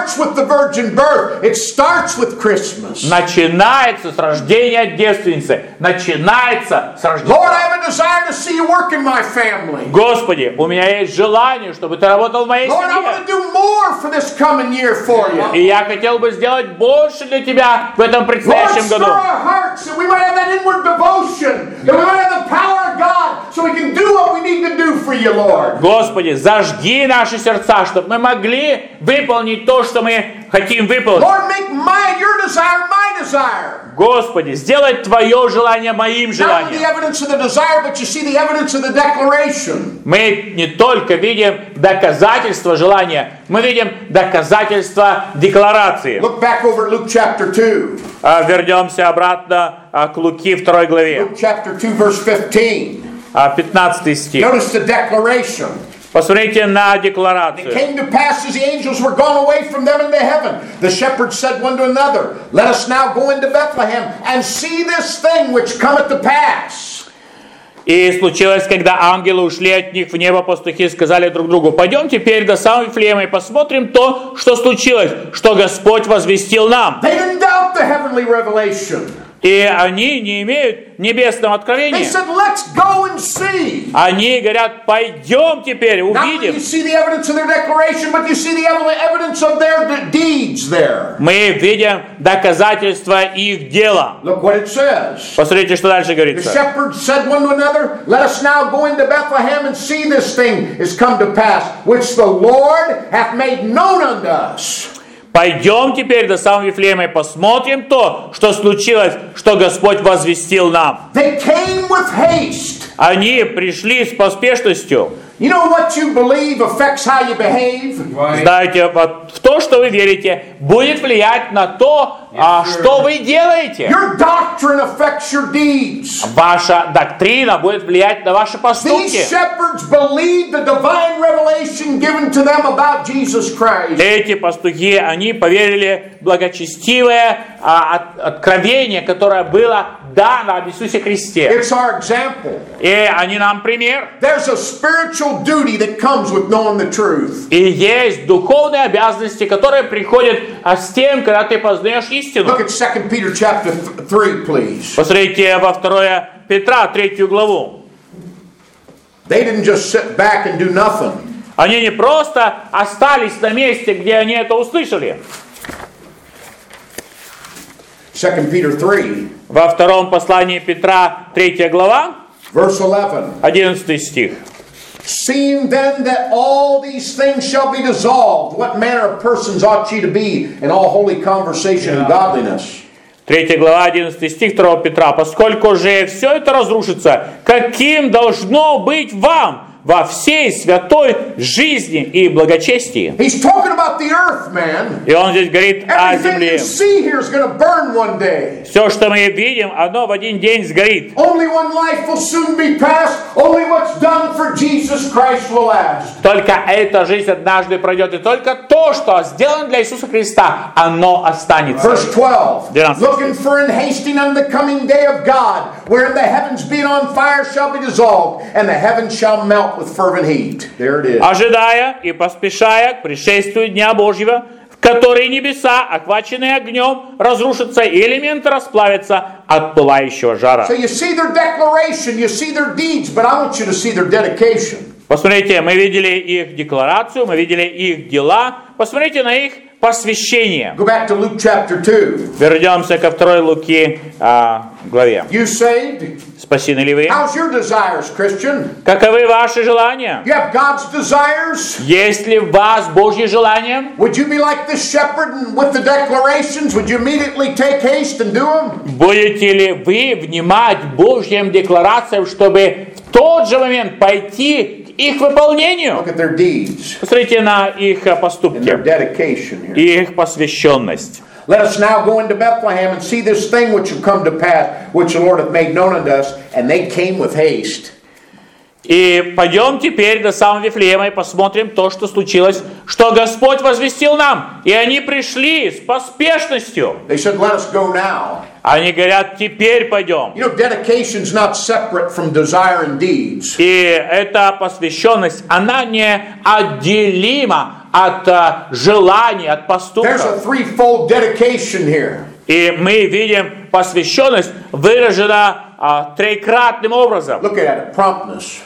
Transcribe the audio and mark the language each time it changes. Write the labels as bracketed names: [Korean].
[Russian] Начинается с рождения девственницы. Начинается с рождения. Господи, у меня есть желание, чтобы ты работал в моей семье. И я хотел бы сделать больше для тебя в этом предстоящем году. [English] Inward devotion, that we might have the power of God, so we can do what we need to do for you, Lord. [Russian] Господи, зажги наши сердца, чтобы мы могли выполнить то, что мы хотим выполнить. [English] Lord, make your desire my desire. [Russian] Господи, сделай твое желание моим желанием. [English] Not the evidence of the desire, but you see the evidence of the declaration. [Russian] Мы не только видим доказательство желания, мы видим доказательство декларации. [English] Look back over Luke chapter 2. [Russian] Вернемся обратно к Луки 2 главе. [English] Luke chapter 2, verse 15. [Russian] 15 стих. [English] Notice the declaration. [Russian] Посмотрите на декларацию. [English] It came to pass as the angels were gone away from them into heaven. The shepherds said one to another, Let us now go into Bethlehem and see this thing which cometh to pass. [Russian] И случилось, когда ангелы ушли от них в небо, пастухи сказали друг другу, пойдем теперь до самой Вифлеема и посмотрим то, что случилось, что Господь возвестил нам. [English] They didn't doubt the heavenly revelation. [Russian] И они не имеют небесного откровения. [English] They said, Let's go and see. [Russian] Они говорят, пойдем теперь, увидим. Мы видим доказательства их дела. [English] Look what it says. [Russian] Посмотрите, что дальше говорится. [English] The shepherds said one to another, Let us now go into Bethlehem and see this thing is come to pass, which the Lord hath made known unto us. [Russian] Пойдем теперь до самого Вифлеема и посмотрим то, что случилось, что Господь возвестил нам. [English] They came with haste. [Russian] Они пришли с поспешностью. [English] You know what you believe affects how you behave. [Russian] Знаете, вот в то, что вы верите, будет влиять на то, что вы делаете. [English] Your doctrine affects your deeds. [Russian] Ваша доктрина будет влиять на ваши поступки. [English] These shepherds believed the divine revelation given to them about Jesus Christ. [Russian] Эти пастухи, они поверили благочестивое откровение, которое было дано об Иисусе Христе. [English] It's our example. [Russian] И они нам пример. [English] There's a spiritual duty that comes with knowing the truth. [Russian] И есть духовные обязанности, которые приходят с тем, когда ты познаешь истину. [English] Look at 2 Peter chapter 3, please. [Russian] Посмотрите во 2 Петра, 3 главу. [English] They didn't just sit back and do nothing. [Russian] Они не просто остались на месте, где они это услышали. [English] 2 Peter 3. [Russian] Во втором послании Петра, 3 глава, [English] Verse 11. [Russian] 11 стих. [English] Seeing then that all these things shall be dissolved, what manner of persons ought ye to be in all holy conversation and godliness? [Russian] 3 глава, 11 стих 2 Петра. Поскольку же все это разрушится, каким должно быть вам во всей святой жизни и благочестии? [English] He's talking about the earth, man. [Russian] И он здесь говорит о земле. [English] Everything you see here is going to burn one day. [Russian] Все, что мы видим, оно в один день сгорит. [English] Only one life will soon be passed. Only what's done for Jesus Christ will last. [Russian] Только эта жизнь однажды пройдет, и только то, что сделано для Иисуса Христа, оно останется. [English] Verse 12. [Russian] 12. [English] Looking for and hasting on the coming day of God, wherein the heavens being on fire shall be dissolved, and the heavens shall melt. With fervent heat. There it is. [Russian] Ожидая и поспешая к пришествию Дня Божьего, в который небеса, охваченные огнем, разрушатся и элементы расплавятся от пылающего жара. [English] So you see their declaration, you see their deeds, but I want you to see their dedication. [Russian] Посмотрите, мы видели их декларацию, мы видели их дела. Посмотрите на их посвящение. [English] Go back to Luke chapter 2. [Russian] Вернемся ко второй Луки главе. [English] You saved? [Russian] Спасены ли вы? [English] How's your desires, Christian? [Russian] Каковы ваши желания? [English] You have God's desires? [Russian] Есть ли в вас Божьи желания? [English] Would you be like this shepherd and with the declarations? Would you immediately take haste and do them? [Russian] Будете ли вы внимать Божьим декларациям, чтобы в тот же момент пойти их выполнению? [English] Look at their deeds. [Russian] Посмотрите на их поступки. [English] And their dedication here. [Russian] И их посвященность. [English] Let us now go into Bethlehem and see this thing which will come to pass, which the Lord hath made known unto us, and they came with haste. [Russian] И пойдем теперь до самого Вифлеема и посмотрим то, что случилось, что Господь возвестил нам, и они пришли с поспешностью. [English] They said, "Let us go now." [Russian] Они говорят, теперь пойдем. [English] You know, dedication's not separate from desire and deeds. [Russian] И эта посвященность, она не отделима от желаний, от поступков. [English] There's a threefold dedication here. [Russian] И мы видим, посвященность выражена трекратным образом. [English] Look at it, promptness.